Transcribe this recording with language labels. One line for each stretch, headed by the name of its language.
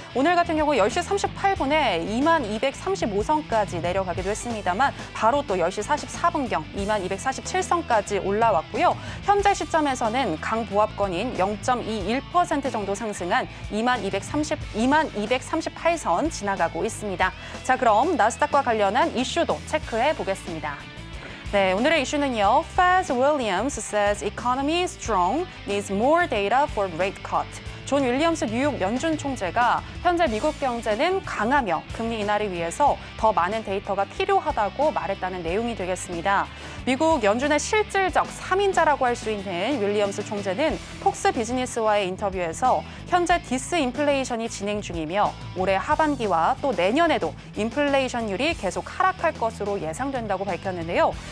Korean: 오늘 같은 경우 10시 38분에 2만 235선까지 내려가기도 했습니다만 바로 또 10시 44분경 2만 247선까지 올라왔고요. 현재 시점에서는 강 보합권인 0.21% 정도 상승한 2만 238선 지나가고 있습니다. 자, 그럼 나스닥과 관련한 이슈도 체크해 보겠습니다. 네, 오늘의 이슈는요.
English: Faz Williams says economy is strong, needs more data for rate cut.
Korean: 존 윌리엄스 뉴욕 연준 총재가 현재 미국 경제는 강하며 금리 인하를 위해서 더 많은 데이터가 필요하다고 말했다는 내용이 되겠습니다. 미국 연준의 실질적 3인자라고 할 수 있는 윌리엄스 총재는 폭스 비즈니스와의 인터뷰에서 현재 디스인플레이션이 진행 중이며 올해 하반기와 또 내년에도 인플레이션율이 계속 하락할 것으로 예상된다고 밝혔는데요.